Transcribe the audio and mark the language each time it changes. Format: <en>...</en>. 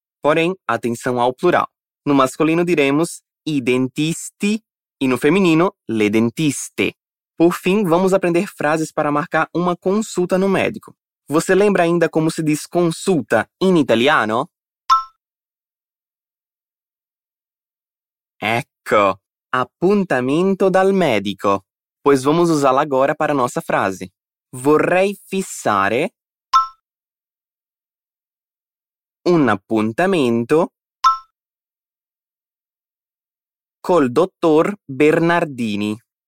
<pt>Porém, atenção ao plural. No masculino diremos i dentisti e no feminino le dentiste. Por fim, vamos aprender frases para marcar uma consulta no médico. Você lembra ainda como se diz consulta em italiano?</pt> <it>Ecco, appuntamento dal medico.</it> <pt>Pois vamos usá-la agora para a nossa frase.</pt> <it>Vorrei fissare un appuntamento col dottor Bernardini.</it>